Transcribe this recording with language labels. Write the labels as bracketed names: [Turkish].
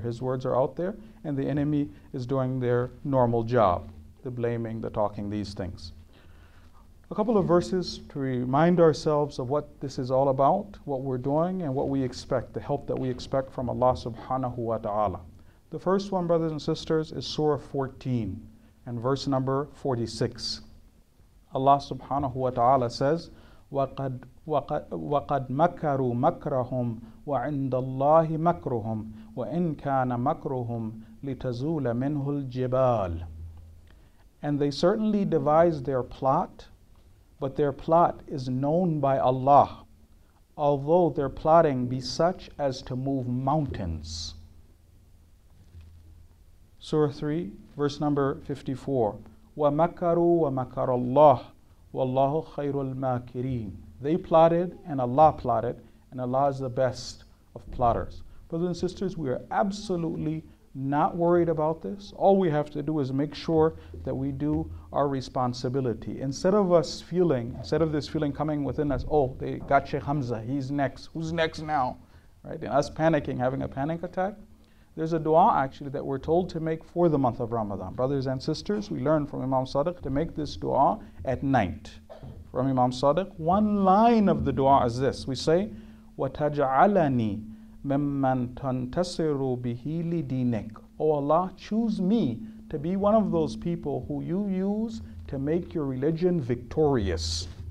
[English] His words are out there, and the enemy is doing their normal job, the blaming, the talking, these things. A couple of verses to remind ourselves of what this is all about, what we're doing, and what we expect, the help that we expect from Allah subhanahu wa ta'ala. The first one, brothers and sisters, is Surah 14 and verse number 46. Allah subhanahu wa ta'ala says, [Arabic] وَقَدْ مَكَرُوا مَكْرَهُمْ وَعِنْدَ اللَّهِ مَكْرُهُمْ وَإِنْ كَانَ مَكْرُهُمْ لِتَزُولَ مِنْهُ الْجِبَالِ. [English] And they certainly devised their plot, but their plot is known by Allah, although their plotting be such as to move mountains. Surah 3, verse number 54. [Arabic] وَمَكَرُوا وَمَكَرَ اللَّهُ وَاللَّهُ خَيْرُ الْمَاكِرِينَ. [English] They plotted and Allah plotted, and Allah is the best of plotters. Brothers and sisters, we are absolutely not worried about this. All we have to do is make sure that we do our responsibility. Instead of this feeling coming within us, oh, they got Sheikh Hamza, he's next, who's next now? Right? And us panicking, having a panic attack. There's a dua actually that we're told to make for the month of Ramadan. Brothers and sisters, we learn from Imam Sadiq to make this dua at night. From Imam Sadiq, one line of the dua is this. We say, [Arabic] وَتَجْعَلَنِي مِمَّنْ تَنْتَصِرُ بِهِ لِدِينِكَ. [English] O Allah, choose me to be one of those people who you use to make your religion victorious.